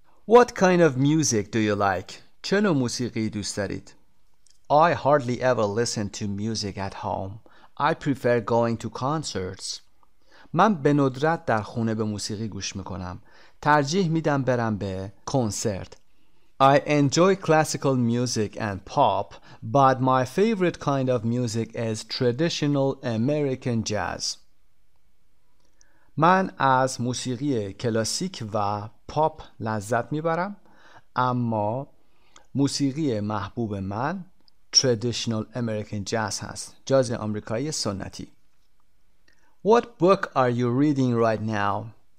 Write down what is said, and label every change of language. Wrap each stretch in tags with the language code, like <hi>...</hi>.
<en>What kind of music do you like؟</en> <fa>چه نوع موسیقی دوست دارید؟</fa> <en>I hardly ever listen to music at home. I prefer going to concerts.</en> <fa>من به ندرت در خونه به موسیقی گوش میکنم، ترجیح میدم برم به کنسرت.</fa> <en>I enjoy classical music and pop, but my favorite kind of music is traditional American jazz.</en> <fa>من از موسیقی کلاسیک و پاپ لذت میبرم، اما موسیقی محبوب من</fa> <en>traditional American jazz</en> <fa>هست، جاز آمریکایی سنتی.</fa> <en>What book are you reading right now?</en>